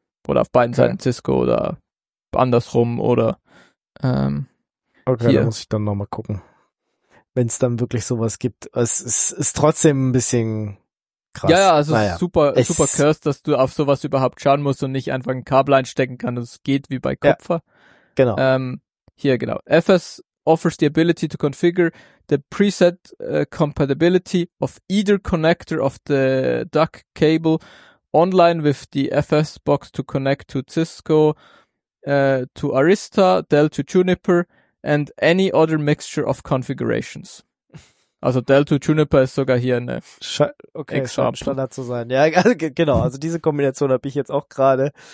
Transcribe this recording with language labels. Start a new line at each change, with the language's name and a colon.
German: Oder auf beiden Seiten Cisco oder andersrum oder Okay, da muss ich dann nochmal gucken. Wenn es dann wirklich sowas gibt. Es ist trotzdem ein bisschen krass. Ja, also naja.
English: super cursed,
German: dass du auf sowas überhaupt schauen musst und nicht einfach ein Kabel einstecken kannst. Das geht wie bei Kupfer. Ja, genau. Hier, genau.
English: FS offers the ability to configure the preset compatibility of either connector of the DAC cable online with the FS box to connect to Cisco, to Arista, Dell to Juniper and any other mixture of configurations.
German: Also Dell to Juniper ist sogar hier eine Standard zu sein. Ja, genau. Also diese Kombination habe ich jetzt auch gerade.